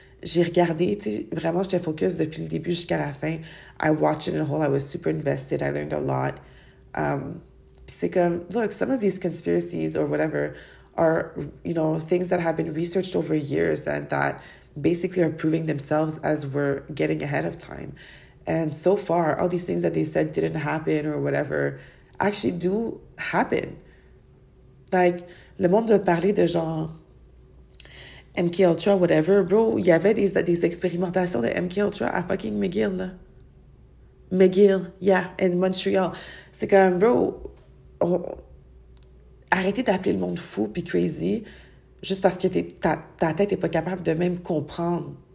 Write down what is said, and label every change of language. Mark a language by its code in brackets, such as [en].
[fr] J'ai regardé, tu sais, vraiment, j'étais focus depuis le début jusqu'à la fin. [en] I watched it in whole, I was super invested, I learned a lot. [fr] C'est comme, [en] look, some of these conspiracies or whatever are, you know, things that have been researched over years and that basically are proving themselves as we're getting ahead of time. And so far, all these things that they said didn't happen or whatever actually do happen. Like, [fr] le monde veut parler de genre, MK Ultra, whatever, bro, il y avait des expérimentations de MK Ultra à fucking McGill, là. McGill, [en] yeah, in Montreal. [fr] C'est comme, bro, arrêtez d'appeler le monde fou pis crazy juste parce que ta tête est pas capable de même comprendre.